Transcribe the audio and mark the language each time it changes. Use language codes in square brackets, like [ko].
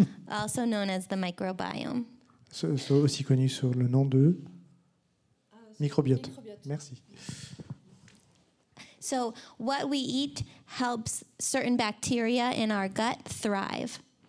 [en] Also known as the microbiome. [fr] C'est aussi connu sous le nom de microbiote. Merci. [en] So what we eat helps certain bacteria in our gut thrive.